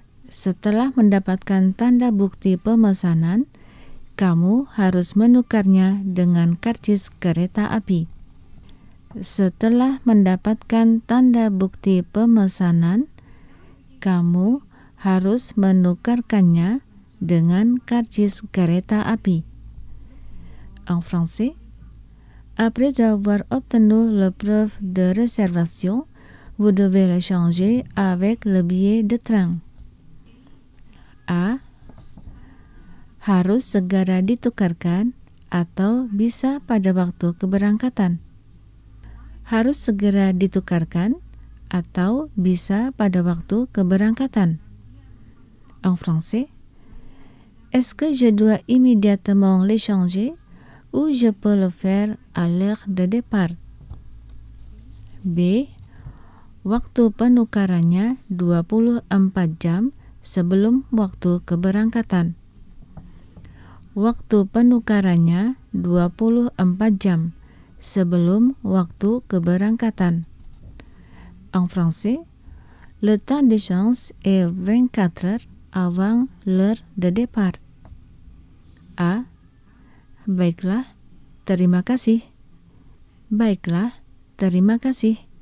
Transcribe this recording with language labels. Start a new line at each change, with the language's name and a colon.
Indonesian: Setelah mendapatkan tanda bukti pemesanan, kamu harus menukarnya dengan kartis kereta api. Setelah mendapatkan tanda bukti pemesanan, kamu harus menukarkannya dengan karcis kereta api.
French: En français, après avoir obtenu la preuve de réservation, vous devez l'échanger avec le billet de train. A.
Indonesian: Harus segera ditukarkan atau bisa pada waktu keberangkatan. Harus segera ditukarkan atau bisa pada waktu keberangkatan.
French: En français, est-ce que je dois immédiatement l'échanger ou je peux le faire à l'heure de départ? B.
Indonesian: Waktu penukarannya 24 jam sebelum waktu keberangkatan. Waktu penukarannya 24 jam sebelum waktu keberangkatan.
French: En français, le temps d'échange est 24 heures avant l'heure de départ. A.
Indonesian: Baiklah, terima kasih. Baiklah, terima kasih.